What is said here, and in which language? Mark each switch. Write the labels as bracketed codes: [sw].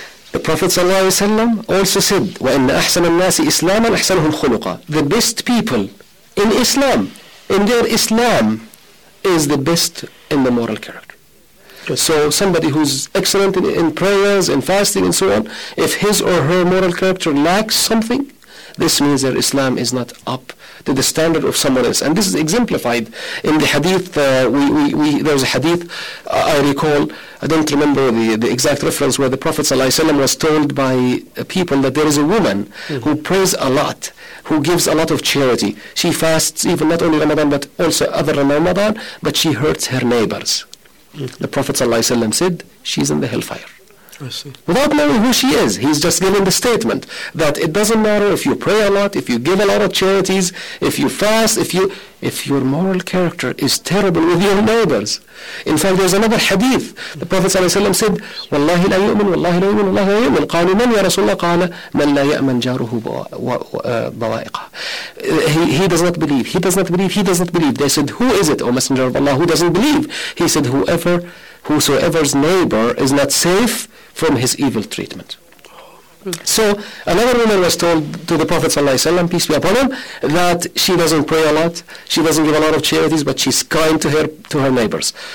[en] The Prophet ﷺ also said, [ar] وَإِنَّ أَحْسَنَ النَّاسِ إِسْلَامًا أَحْسَنُهُمْ خُلُقًا. [en] The best people in Islam, in their Islam, is the best in the moral character. Good. So somebody who's excellent in prayers and fasting and so on, if his or her moral character lacks something, this means their Islam is not up to the standard of someone else. And this is exemplified in the hadith. There was a hadith, I recall, I don't remember the exact reference, where the Prophet ﷺ was told by people that there is a woman who prays a lot, who gives a lot of charity. She fasts even not only Ramadan, but also other Ramadan, but she hurts her neighbors. Mm-hmm. The Prophet ﷺ said, she's in the hellfire. I see. Without knowing who she is, he's just giving the statement that it doesn't matter if you pray a lot, if you give a lot of charities, if you fast, if your moral character is terrible with your neighbors. In fact, there's another hadith. The Prophet ﷺ said, [ar] "Wallahi la yu'min, wallahi la yu'min, wallahi la yu'min." قالوا من يا رسول الله قال من لا يأمن جاره بوائقه. [en] He does not believe. They said, "Who is it, O Messenger of Allah, who doesn't believe?" He said, "Whosoever's neighbor is not safe from his evil treatment." So another woman was told to the Prophet ﷺ, peace be upon him, that she doesn't pray a lot, she doesn't give a lot of charities, but she's kind to her neighbors.